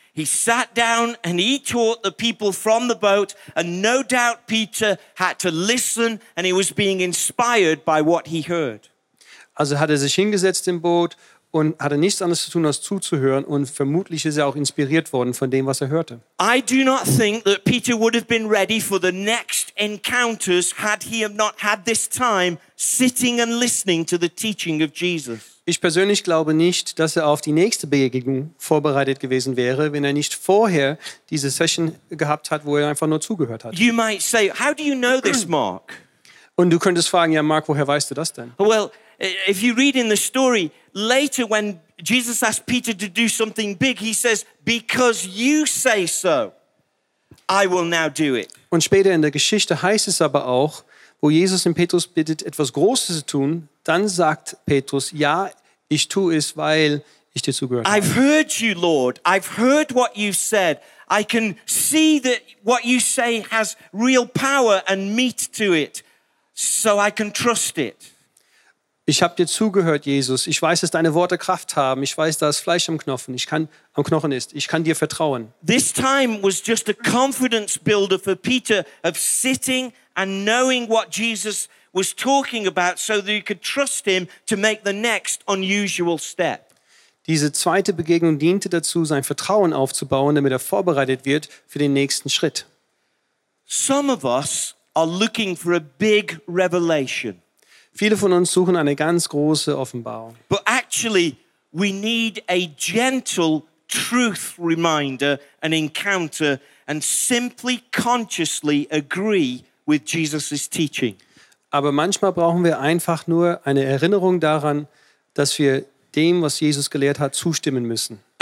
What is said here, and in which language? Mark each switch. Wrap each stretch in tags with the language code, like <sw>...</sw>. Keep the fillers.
<en>He sat down and he taught the people from the boat and no doubt Peter had to listen and he was being inspired by what he heard.</en> <de>Also hat er sich hingesetzt im Boot und hatte nichts anderes zu tun als zuzuhören und vermutlich ist er auch inspiriert worden von dem was er hörte.</de> <en>I do not think that Peter would have been ready for the next encounters had he not had this time sitting and listening to the teaching of Jesus.</en> <de>Ich persönlich glaube nicht, dass er auf die nächste Begegnung vorbereitet gewesen wäre, wenn er nicht vorher diese Session gehabt hat, wo er einfach nur zugehört hat.</de> <en>You might say, how do you know this, Mark?</en> <de>Und du könntest fragen, ja, Mark, woher weißt du das denn?</de> <en>Well, if you read in the story later when Jesus asked Peter to do something big, he says, because you say so, I will now do it.</en> <de>Und später in der Geschichte heißt es aber auch, wo Jesus in Petrus bittet, etwas Großes zu tun, dann sagt Petrus, ja, ich tue es, weil ich dir zugehört habe.</de> <en>I've heard you, Lord. I've heard what you said. I can see that what you say has real power and meat to it. So I can trust it.</en> <de>Ich habe dir zugehört, Jesus. Ich weiß, dass deine Worte Kraft haben. Ich weiß, dass Fleisch am Knochen, ist. Ich kann dir vertrauen.</de> <en>This time war just a confidence builder for Peter of sitting und knowing was Jesus was talking about so that you could trust him to make the next unusual step.</en> <de>Diese zweite Begegnung diente dazu, sein Vertrauen aufzubauen, damit er vorbereitet wird für den nächsten Schritt.</de> <en>Some of us are looking for a big revelation.</en> <de>Viele von uns suchen eine ganz große Offenbarung.</de> <en>But actually, we need a gentle truth reminder an encounter and simply consciously agree with Jesus' teaching.</en> <de>Aber manchmal brauchen wir einfach nur eine Erinnerung daran, dass wir dem, was Jesus gelehrt hat, zustimmen müssen.</de>